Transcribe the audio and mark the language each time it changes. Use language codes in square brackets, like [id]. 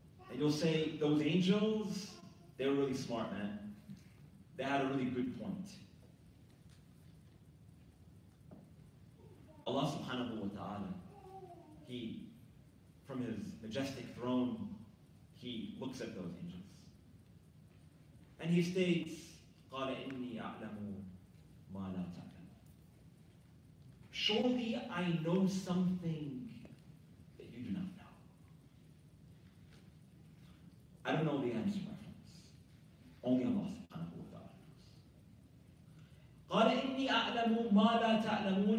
[en] And you'll say, those angels, they're really smart, man. They had a really good point. Allah subhanahu wa ta'ala, He, from His majestic throne, He looks at those angels. And He states, [ar] قَالَ إِنِّي أَعْلَمُ مَا لَا تَعْلَمُ. [en] Surely I know something that you do not know. I don't know the answer, my friends. Only Allah subhanahu wa ta'ala knows. [ar] قَالَ إِنِّي أَعْلَمُ مَا لَا تَعْلَمُونَ.